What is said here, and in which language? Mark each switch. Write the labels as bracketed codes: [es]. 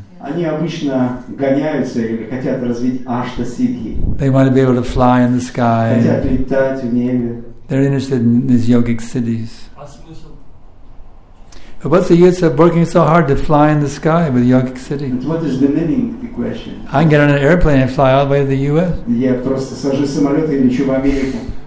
[ru] Они обычно гоняются или хотят развить ашта-сиддхи. [en] They want to be able to fly in the sky. [ru] Хотят летать в небе. [en] They're interested in these yogic siddhis. [ru] А смысл? [en] But what's the use of working so hard to fly in the sky with yogic siddhis? But what is the meaning of the question? I can get on an airplane and fly all the way to the U.S. [ru] Я просто сажусь в самолет и лечу в Америку.